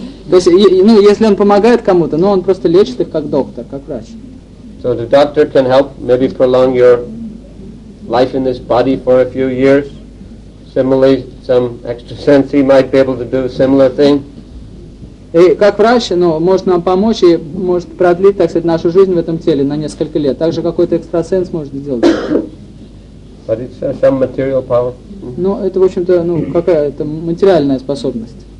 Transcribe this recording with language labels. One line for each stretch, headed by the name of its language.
Russian: То есть, ну, если он помогает кому-то, ну, он просто лечит их как доктор, как врач.
English: So the doctor can help maybe prolong your life in this body for a few years. Similarly, some extrasense might be able to do a similar thing.
Russian: И как врач, ну, может нам помочь и может продлить, так сказать, нашу жизнь в этом теле на несколько лет. Также какой-то экстрасенс может сделать.
English: But it's some material power.
Russian: Ну, это, в общем-то, ну, какая-то материальная способность.